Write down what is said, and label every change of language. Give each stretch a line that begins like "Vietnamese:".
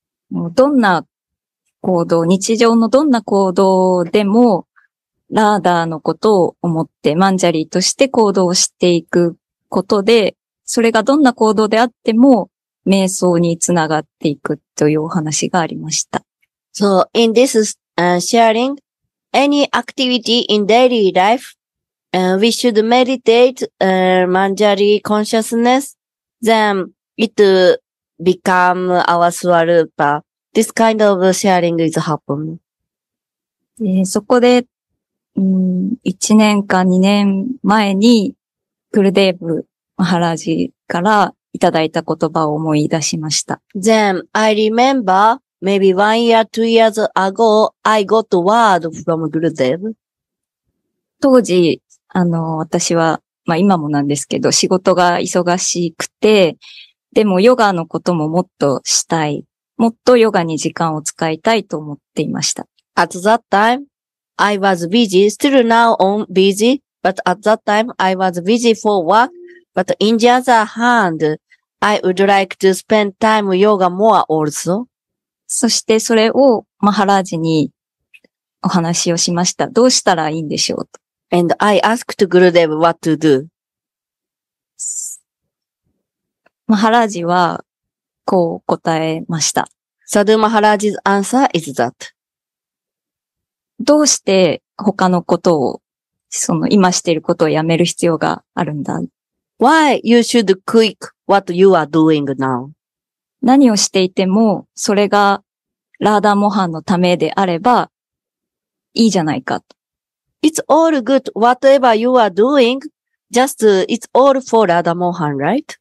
Japanese: どんな行動、日常のどんな行動でも、ラーダーのことを思って、マンジャリーとして行動していくことで、それがどんな行動であっても瞑想につながっていくというお話がありました。
English: So, in this sharing, any activity in daily life, we should meditate manjari consciousness, then it become our swarupa. This kind of sharing is happening.
Japanese: そこで、1年か2年前にクルデーブ、マハラジからいただいた言葉を思い出しました。
English: Then I remember maybe 1 year, 2 years ago I got word from Gurudev.
Japanese: 当時私はまあ今もなんですけど仕事が忙しくて、でもヨガのことももっとしたい、もっとヨガに時間を使いたいと思っていました。
English: At that time I was busy, still now on busy, but at that time I was busy for work. But in the other hand, I would like to spend time yoga more also.
Japanese: そしてそれをマハラージにお話をしました。どうしたらいいんでしょうと。
English: And I asked Gurudev what to do.
Japanese: マハラージはこう答えました。
English: Sadhu Maharaj's answer is that.
Japanese: どうして他のことを、その今していることをやめる必要があるんだ。
English: Why you should quit what you are doing now?
Japanese: 何をしていても、それがラーダモハンのためであれば、いいじゃないかと。
English: It's all good whatever you are doing, just it's all for ラーダモハン, right?